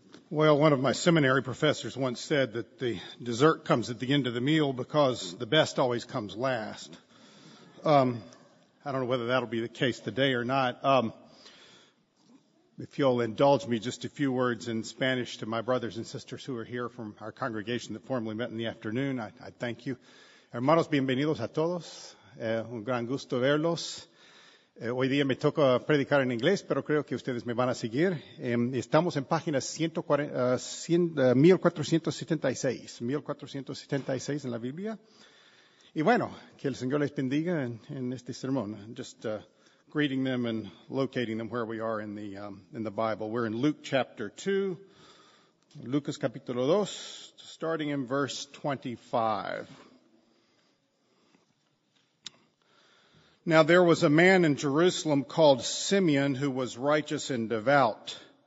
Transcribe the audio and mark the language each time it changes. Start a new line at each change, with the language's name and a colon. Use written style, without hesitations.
English: Well, one of my seminary professors once said that the dessert comes at the end of the meal because the best always comes last. I don't know whether that'll be the case today or not. If you'll indulge me just a few words in Spanish to my brothers and sisters who are here from our congregation that formally met in the afternoon, I thank you.
Spanish: Hermanos, bienvenidos a todos. Un gran gusto verlos. Hoy día me toca predicar en inglés, pero creo que ustedes me van a seguir. Estamos en página 1476 en la Biblia. Y bueno, que el Señor les bendiga en este sermón.
English: Just greeting them and locating them where we are in the Bible. We're in Luke chapter 2,
Spanish: Lucas capítulo 2,
English: starting in verse 25. Now there was a man in Jerusalem called Simeon who was righteous and devout.